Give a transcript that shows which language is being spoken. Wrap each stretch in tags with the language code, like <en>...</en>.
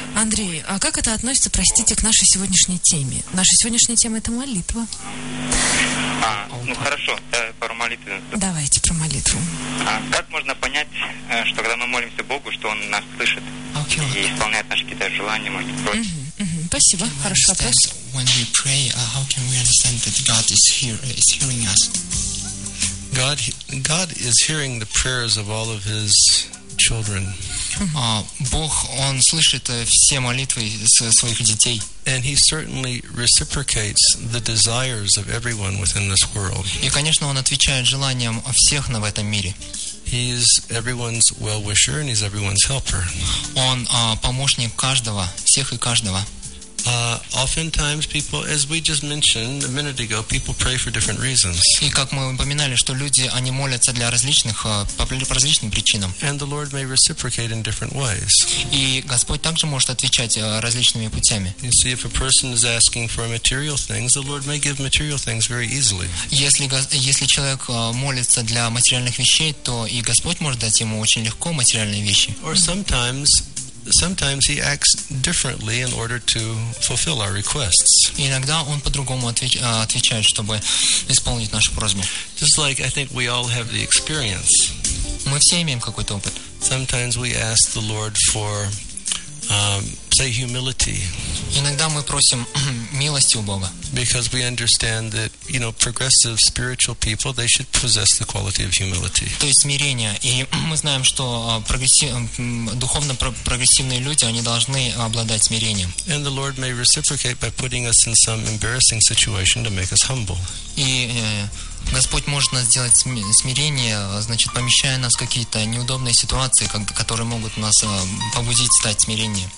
<ru>Андрей, а как это относится, простите, к нашей сегодняшней теме? Наша сегодняшняя тема — это молитва. Хорошо, про молитву. Давайте про молитву. Как можно понять, что когда мы молимся Богу, что Он нас слышит и исполняет наши какие-то желания, может, прочее? Спасибо, хороший вопрос.</ru> <en>When we pray, how can we understand that God is here, is hearing us? God is hearing the prayers of all of His children.</en> <ru>Бог, Он слышит все молитвы своих детей.</ru> <en>And He certainly reciprocates the desires of everyone within this world.</en> <ru>И, конечно, Он отвечает желаниям всех в этом мире.</ru> <en>He is everyone's well-wisher and He's everyone's helper.</en> <ru>Он помощник каждого, всех и каждого.</ru> <en>Oftentimes people, as we just mentioned a minute ago, people pray for different reasons.</en> <ru>И как мы упоминали, что люди, они молятся для различных, по различным причинам.</ru> <en>And the Lord may reciprocate in different ways.</en> <ru>И Господь также может отвечать различными путями.</ru> <en>You see, if a person is asking for material things, the Lord may give material things very easily.</en> <ru>Если человек молится для материальных вещей, то и Господь может дать ему очень легко материальные вещи.</ru> <en>Or sometimes he acts differently in order to fulfill our requests.</en> <ru>Иногда он по-другому отвечает, чтобы исполнить нашу просьбу.</ru> <en>Just like I think we all have the experience.</en> <ru>Мы все имеем какой-то опыт.</ru> <en>Sometimes we ask the Lord for say humility.</en> <ru>Иногда мы просим милости у Бога.</ru> <en>Because we understand that, you know, progressive spiritual people, they should possess the quality of humility.</en> <ru>То есть смирение. И мы знаем, что духовно прогрессивные люди, они должны обладать смирением.</ru> <en>And the Lord may reciprocate by putting us in some embarrassing situation to make us humble.</en> <ru>И Господь может нас сделать смирение, значит, помещая нас в какие-то неудобные ситуации, которые могут нас побудить стать смирением.</ru>